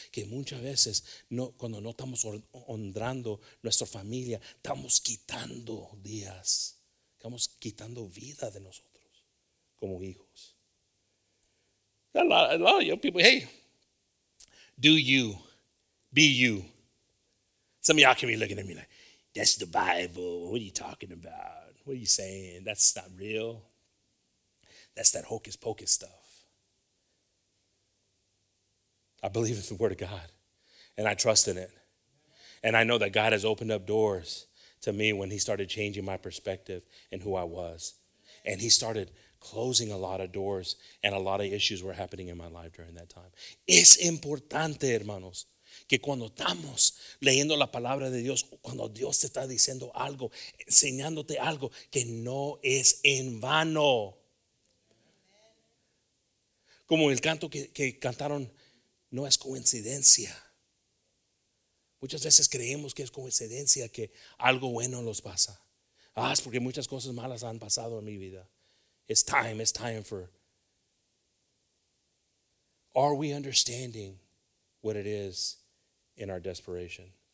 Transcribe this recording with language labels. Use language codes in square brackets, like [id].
[es] Que muchas veces, cuando no estamos honrando nuestra familia, estamos quitando días. Estamos quitando vida de nosotros como hijos. [en] A lot of young people, hey, do you, be you. Some of y'all can be looking at me like, that's the Bible. What are you talking about? What are you saying? That's not real. That's that hocus pocus stuff. I believe in the word of God, and I trust in it. And I know that God has opened up doors to me when he started changing my perspective and who I was. And he started closing a lot of doors, and a lot of issues were happening in my life during that time. [es] Es importante, hermanos, que cuando estamos leyendo la palabra de Dios, cuando Dios te está diciendo algo, enseñándote algo, que no es en vano. Como el canto que cantaron, no es coincidencia. Muchas veces creemos que es coincidencia que algo bueno nos pasa. Es porque muchas cosas malas han pasado en mi vida. [en] It's time for... Are we understanding what it is in our desperation?